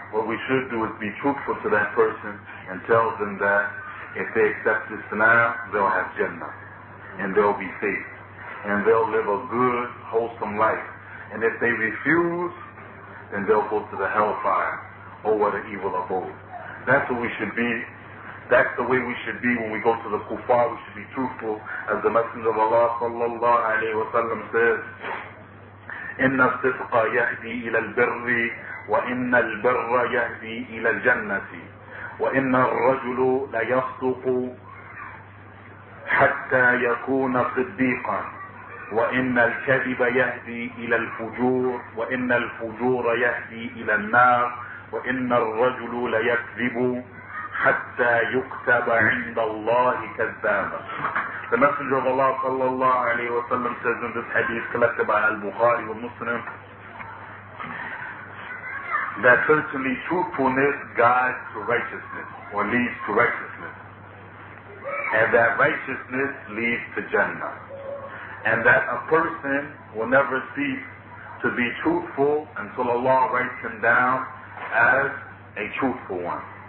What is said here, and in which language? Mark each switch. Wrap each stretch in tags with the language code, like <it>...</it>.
<en>What we should do is be truthful to that person and tell them that if they accept Islam, they'll have Jannah and they'll be safe and they'll live a good, wholesome life. And if they refuse, then they'll go to the hellfire. Oh, what an evil abode. That's what we should be. That's the way we should be when we go to the kuffar. We should be truthful. As the Messenger of Allah sallallahu alayhi wa sallam says,</en> <ar>إِنَّ الصِّدْقَ يَهْدِي إِلَى الْبِرِّ وَإِنَّ الْبِرَّ يَهْدِي إِلَى الْجَنَّةِ وَإِنَّ الرَّجُلُ لَيَصْدُقُ حَتَّى يَكُونَ صِدِّيقًا وَإِنَّ الْكَذِبَ يَهْدِي إِلَى الْفُجُورِ وَإِنَّ الْفُجُورَ يَهْدِي إِلَى النَّارِ وَإِنَّ الرَّجُلُ لَيَكْذِبُ حَتَّى يُكْتَبَ عِنْدَ اللَّهِ كَذَّابًا.</ar> <en>The Messenger of Allah sallallahu alayhi wa sallam says in this hadith collected by Al-Bukhari and Muslim, that certainly truthfulness guides to righteousness, or leads to righteousness. And that righteousness leads to Jannah. And that a person will never cease to be truthful until Allah writes him down as a truthful one.</en>